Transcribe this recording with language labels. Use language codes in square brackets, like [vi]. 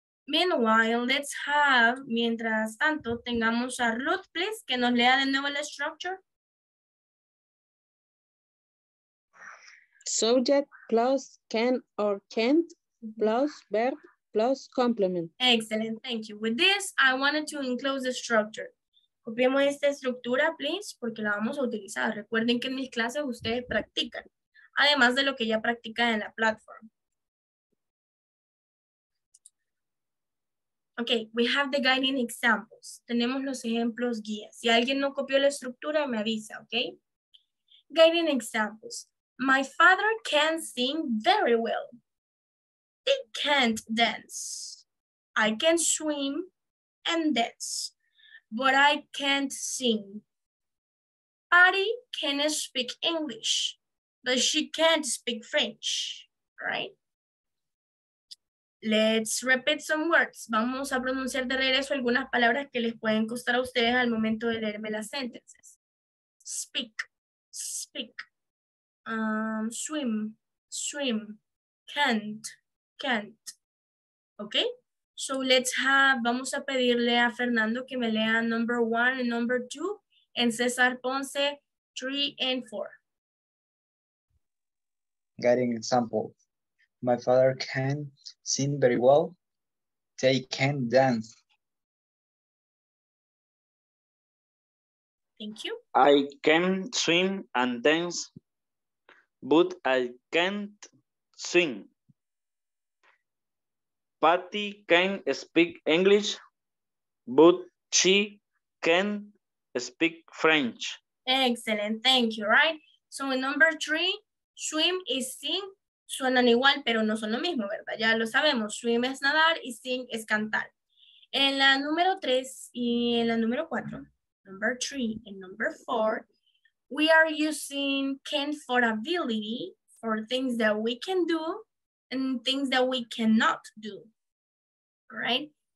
[en] Meanwhile, let's have, [es] mientras tanto, tengamos a Ruth, please, que nos lea de nuevo la structure. [en] Subject plus can or can't plus verb plus complement. Excellent, thank you. With this, I wanted to enclose the structure. [es] Copiemos esta estructura, please, porque la vamos a utilizar. Recuerden que en mis clases ustedes practican, además de lo que ya practican en la platform. [en] Okay, we have the guiding examples. [es] Tenemos los ejemplos guías. Si alguien no copió la estructura, me avisa, okay? [en] Guiding examples. My father can sing very well. He can't dance. I can swim and dance, but I can't sing. Patty can speak English, but she can't speak French, right? Let's repeat some words. [es] Vamos a pronunciar de regreso algunas palabras que les pueden costar a ustedes al momento de leerme las sentences. [en] Speak, speak. Swim, swim. Can't, can't. Okay? So let's have, [es] vamos a pedirle a Fernando que me lea [en] number one and number two, and César Ponce, three and four. Getting example. My father can sing very well. They can dance. Thank you. I can swim and dance, but I can't sing. Patty can speak English, but she can speak French. Excellent, thank you, right? So in number three, swim is sing. [es] Suenan igual, pero no son lo mismo, ¿verdad? Ya lo sabemos. Swim es nadar y sing es cantar. En la número 3 y en la número 4, [en] number 3 and number 4, we are using can for ability, for things that we can do and things that we cannot do, right?